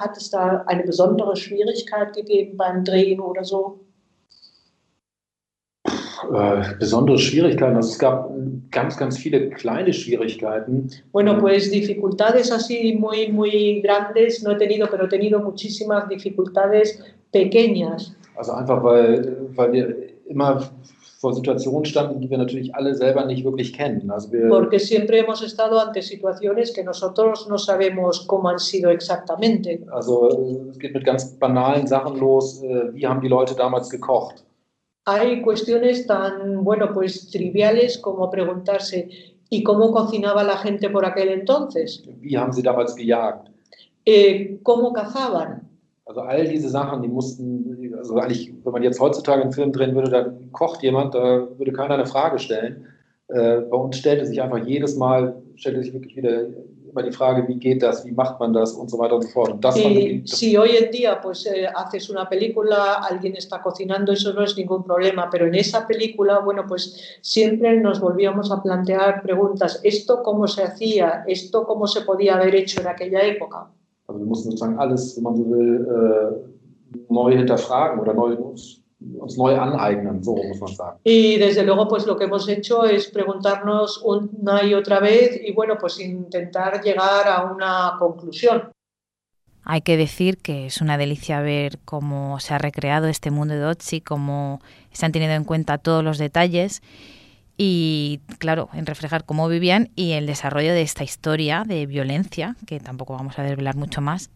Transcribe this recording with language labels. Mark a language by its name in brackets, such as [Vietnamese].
[German] Hat es da eine besondere Schwierigkeit gegeben beim Drehen oder so? Besondere Schwierigkeiten. Also es gab ganz, ganz viele kleine Schwierigkeiten. [Spanish] Bueno, pues dificultades así muy, muy grandes no he tenido, pero he tenido muchísimas dificultades pequeñas. [German] Also einfach, weil wir immer vor Situationen standen, die wir natürlich alle selber nicht wirklich kennen. Also wir, [Spanish] porque siempre hemos estado ante situaciones que nosotros no sabemos cómo han sido exactamente. [German] Also es geht mit ganz banalen Sachen los. Wie haben die Leute damals gekocht? [Spanish] Hay cuestiones tan, bueno, pues triviales como preguntarse ¿y cómo cocinaba la gente por aquel entonces? [German] Wie haben sie damals gejagt? [Spanish] ¿Cómo cazaban? [German] Also all diese Sachen, die mussten, also eigentlich, wenn man jetzt heutzutage einen Film drehen würde, da kocht jemand, da würde keiner eine Frage stellen. Bei uns stellte sich einfach jedes Mal, stellte sich wirklich wieder immer die Frage, wie geht das, wie macht man das und so weiter und so fort. Und das [Spanish] y, si hoy en día pues, haces una película, alguien está cocinando, eso no es ningún problema, pero en esa película, bueno, pues siempre nos volvíamos a plantear preguntas, ¿esto cómo se hacía? ¿Esto cómo se podía haber hecho en aquella época? [German] Also wir mussten sozusagen alles, wenn man so will, neu hinterfragen oder neu uns neu aneignen, so muss man sagen. [Spanish] Y desde luego, pues lo que hemos hecho es preguntarnos una y otra vez y bueno, pues intentar llegar a una conclusión. Hay que decir que es una delicia ver cómo se ha recreado este mundo de Ötzi, cómo se han tenido en cuenta todos los detalles y, claro, en reflejar cómo vivían y el desarrollo de esta historia de violencia, que tampoco vamos a desvelar mucho más.